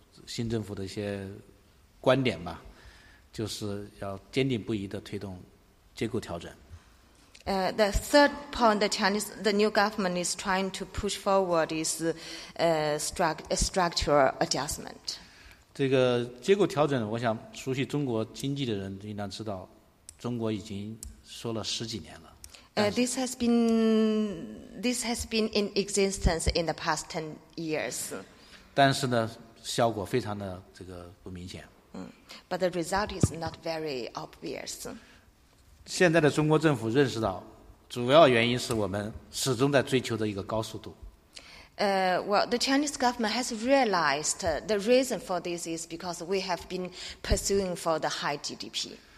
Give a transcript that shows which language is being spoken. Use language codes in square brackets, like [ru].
[zh] 那么第三个值得强调的这个新政府的一些观点吧。 [en] The third point the Chinese the new government is trying to push forward is structural adjustment. [zh] 这个结构调整，我想熟悉中国经济的人应当知道，中国已经说了十几年了。 [en] This has been in existence in the past 10 years. [zh] 但是呢，效果非常的这个不明显。 [en] But the result is not very obvious. [zh] 现在的中国政府认识到，主要原因是我们始终在追求的一个高速度。 [en] Well, the Chinese government has realized the reason for this is because we have been pursuing for the high GDP.